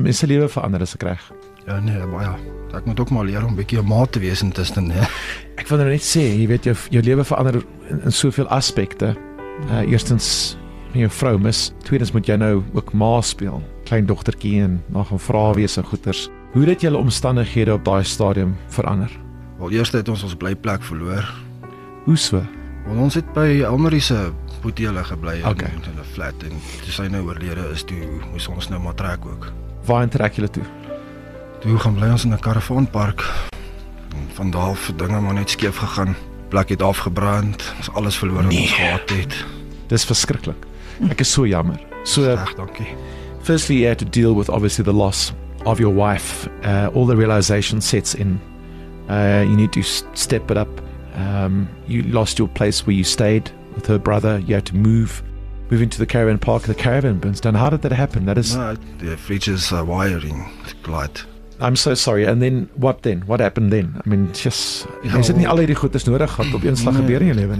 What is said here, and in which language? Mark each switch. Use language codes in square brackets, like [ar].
[af] Sy mense lewe verander as ek reg. Ja nee, baie. Ek moet ook maar leer om 'n bietjie 'n maat te wees intussen, hè. Ek wil net sê, jy weet jou lewe verander in soveel aspekte. Eerstens met jou vrou mis, tweedens moet jy nou ook ma speel, klein dogtertjie en nog 'n vrou wees en goeters. Hoe het julle omstandighede op daai stadium verander? Wel, eerste het ons blyplek verloor. Hoe so? Want ons het by Elmarie se boetie hulle gebly in hulle flat en toe sy nou oorlede is, toe moes ons nou maar trek ook. Waarheen trek julle toe? Toe gaan bly ons in 'n karavaanpark. Van daar af dinge maar net skeef gegaan. Plek het afgebrand, ons alles verloor wat ons gehad het. Dis verskriklik. Ek is so jammer. So reg, dankie. [en] Firstly, you had to deal with obviously the loss of your wife, all the realization sets in. You need to step it up. You lost your place where you stayed with her brother. You had to move into the caravan park. The caravan burns down. How did that happen? That is the fridges are wiring glut. I'm so sorry. And then what then? What happened then? I mean, just is it not all the [af] goed is nodig gehad op eenslag gebeur in jou lewe?